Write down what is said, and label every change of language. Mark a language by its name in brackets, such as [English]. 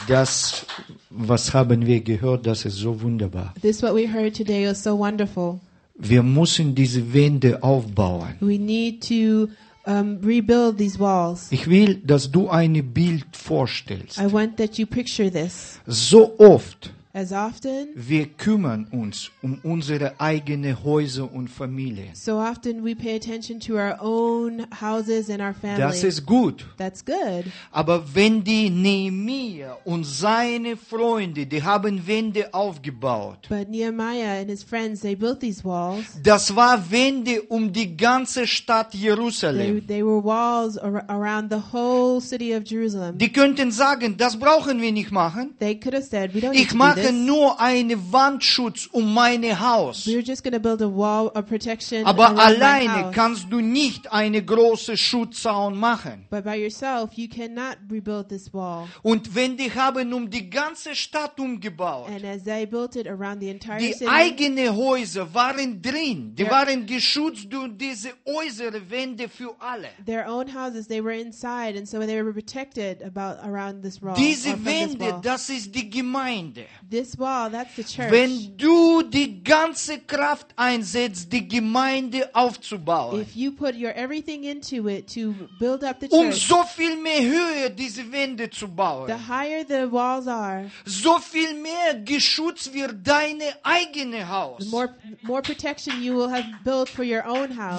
[German] Das, was haben wir gehört, das ist so wunderbar. [English] This what we heard today is so wonderful. [German] Wir müssen diese Wände aufbauen. [English] We need to rebuild these walls. [German] Ich will, dass du ein Bild vorstellst. [English] I want that you picture this. [German] So oft. [English] As often. [German] Wir kümmern uns um unsere eigene Häuser und Familie. [English] So often we pay attention to our own houses and our family. [German] Das ist gut. [English] That's good. [German] Aber wenn die Nehemia und seine Freunde, die haben Wände aufgebaut. [English] But Nehemiah and his friends, they built these walls. [German] Das war Wände um die ganze Stadt Jerusalem. [English] They were walls around the whole city of Jerusalem. [German] Die könnten sagen, das brauchen wir nicht machen. [English] They could have said, we don't need to. [German] Ich mache nur einen Wandschutz um mein Haus. [English] We're just gonna build a wall of protection. [German] Aber alleine kannst du nicht eine große Schutzzaun machen. [English] But by yourself, you cannot rebuild this wall. [German] Und wenn die haben um die ganze Stadt umgebaut, [English] and as they built it around the entire [German] die [English] city, [German] eigene Häuser waren drin. Die waren geschützt durch diese äußere Wände für alle. [English] Their own houses, they were inside, and so they were protected about around this wall. [German] Diese Wände, [English] this wall. [German] Das ist die Gemeinde. [English] This wall, that's the church. [German] Wenn du die ganze Kraft einsetzt, die Gemeinde aufzubauen, [English] if you put your everything into it to build up the [German] church, so viel mehr höher diese Wände zu bauen, [English] the higher the walls are, [German] so viel mehr geschützt wird deine eigene Haus, [English] the more protection you will have built for your own house,